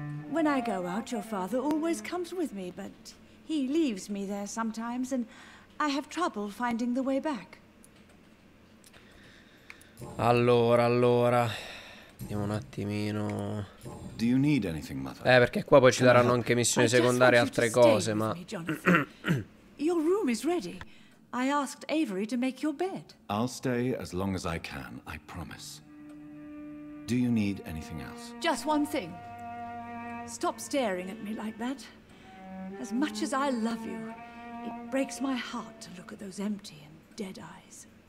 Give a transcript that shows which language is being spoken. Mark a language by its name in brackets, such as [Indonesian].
[English] When I go out, your father always comes with me, but he leaves me there sometimes, and I have trouble finding the way back. [Italian] Allora. Vediamo un attimino. [English] Do you need anything, mother? [Italian] Perché qua poi ci daranno anche missioni secondarie e altre cose, ma [English] Your room is ready. I asked Avery to make your bed. I'll stay as long as I can, I promise. Do you need anything else? Just one thing. Stop staring at me like that. As much as I love you, it breaks my heart to look at those empty and dead eyes.